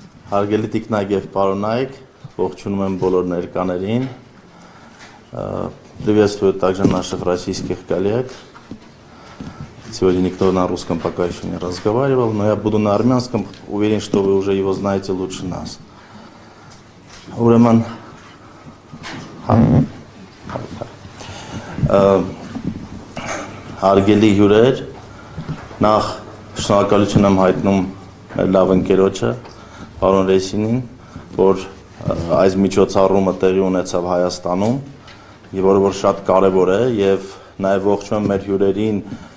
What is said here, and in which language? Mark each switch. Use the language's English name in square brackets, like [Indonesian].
[Armenian] Հարգելի տիկնակ եւ պարոնայք, ողջունում եմ բոլոր ներկաներին։ [Russian] Приветствую также наших российских коллег. Сегодня никто на русском пока еще не разговаривал, но я буду на армянском, уверен, что вы уже его знаете лучше нас. [Armenian] Ուրեմն հարգելի հյուրեր, նախ շնորհակալություն եմ հայտնում մեր լավ ընկերոջը, պարոն Ռեսինին, որ այս միջոցառումը տեղի ունեցավ Հայաստանում, եւ որը որ շատ կարեւոր է, եւ նաեւ ողջունեմ մեր հյուրերին,